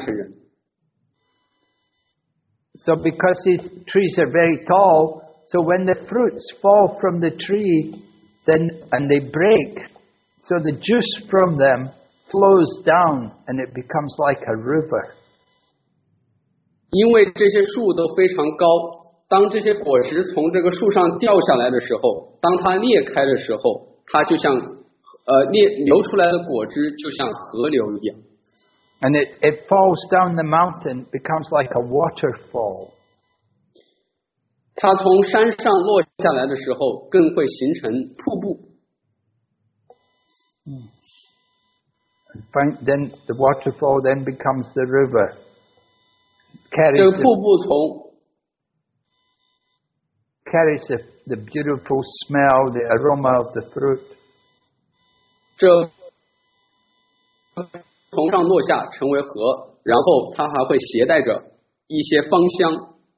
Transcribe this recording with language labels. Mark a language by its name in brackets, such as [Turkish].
[Chinese] 当这个芒果降下来的时候，它非常能满足这些半神人。 [English] So because these trees are very tall, so when the fruits fall from the tree, then and they break, so the juice from them flows down and it becomes like a river. [Chinese] 因为这些树都非常高, 当这些果实从这个树上掉下来的时候，当它裂开的时候，它就像流出来的果汁就像河流一样。 [English] And it falls down the mountain, becomes like a waterfall. [Chinese] 它从山上落下来的时候，更会形成瀑布。 [English] Then the waterfall then becomes the river. [Chinese] 这个瀑布从 [English] carries the beautiful smell, the aroma of the fruit. [Chinese] 这从上落下成为河，然后它还会携带着一些芳香。